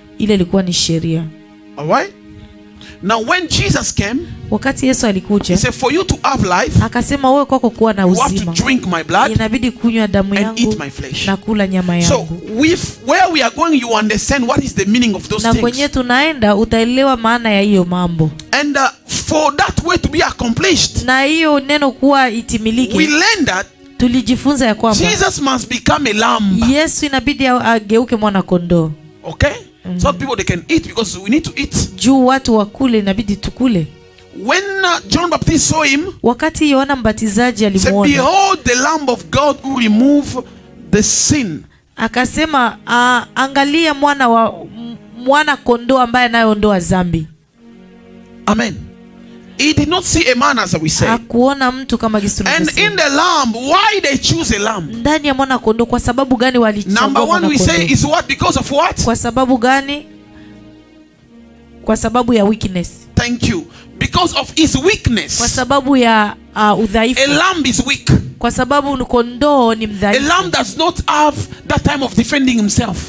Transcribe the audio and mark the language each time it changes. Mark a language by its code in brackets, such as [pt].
[sw] Ile ilikuwa ni sheria. [en] Alright. Now when Jesus came, [sw] wakati Yesu alikuja, [en] he said for you to have life, [sw] akasema wewe kwako kuwa na uzima, [en] you have to drink my blood, [sw] inabidi kunywa damu yangu, [en] and eat my flesh, [sw] na kula nyama yangu. [en] So with where we are going, you understand what is the meaning of those [sw] na [en] things. [sw] Na kwenye tunaenda utaelewa maana ya hiyo mambo. [en] And for that way to be accomplished, [sw] na hiyo neno kuwa itimilike, [en] we learn that, [sw] tulijifunza ya kwamba [en] Jesus must become a lamb. [sw] Yesu inabidi ageuke mwana kondoo. [en] Okay. Mm-hmm. So people they can eat, because we need to eat. [sw] Juu watu wakule, inabidi tukule. [en] When John Baptist saw him, [sw] wakati Yohana Mbatizaji alimuona, [en] said, behold the Lamb of God who remove the sin. [sw] Akasema angalia mwana kondoo ambaye anayeondoa dhambi. [en] Amen. He did not see a man, as we say. [sw] Hakuona mtu kama Kristo. [en] And in the lamb, why they choose a lamb? [sw] Ndani ya mwana kondoo, kwa sababu gani walichagua mwana kondoo? [en] Number one, we say, is what, because of what? [sw] Kwa sababu gani? Kwa sababu ya weakness. [en] Thank you. Because of his weakness. [sw] Kwa sababu ya udhaifu. [en] A lamb is weak. [sw] Kwa sababu kondoo ni mdhaifu. [en] A lamb does not have that time of defending himself.